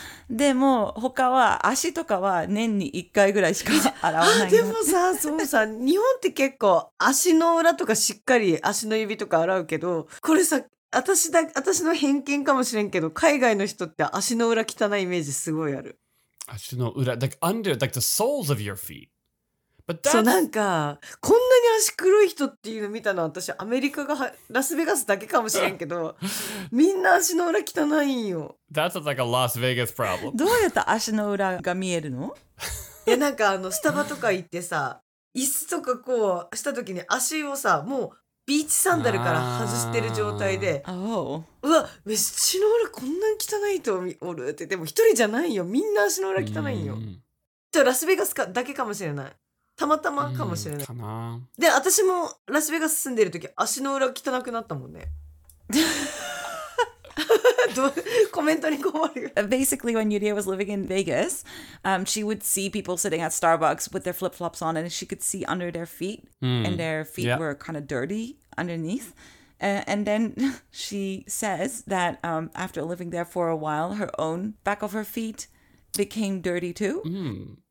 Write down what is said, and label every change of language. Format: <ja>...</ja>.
<ja>でも他は足とかは年に1回ぐらいしか洗わないでもさ、そうさ、日本って結構足の裏とかしっかり足の指とか洗うけど、これさ、私の偏見かもしれんけど、海外の人って足の裏汚いイメージすごいある。足の裏、</ja> <en>like under, like the soles of your feet. But that's...</en> <ja>そう、なんか、こんなに足黒い人っていうの見たのは、私、アメリカがラスベガスだけかもしれんけど、みんな足の裏汚いんよ。</ja> <en>That's like a Las Vegas problem.</en> <ja>どうやって足の裏が見えるの？いや、なんかスタバとか行ってさ、椅子とかこうしたときに足をさ、もう、ビーチサンダルから外してる状態で、うわ、足の裏こんなに汚いとおるって。でも一人じゃないよ、みんな足の裏汚いよ。じゃあラスベガスかだけかもしれない、たまたまかもしれないかな。で、私もラスベガス住んでる時足の裏汚くなったもんね。</ja> <en>Basically, when Yuria was living in Vegas, she would see people sitting at Starbucks with their flip-flops on, and she could see under their feet, and their feet were kind of dirty underneath. And then she says that after living there for a while, her own back of her feet became dirty too.</en>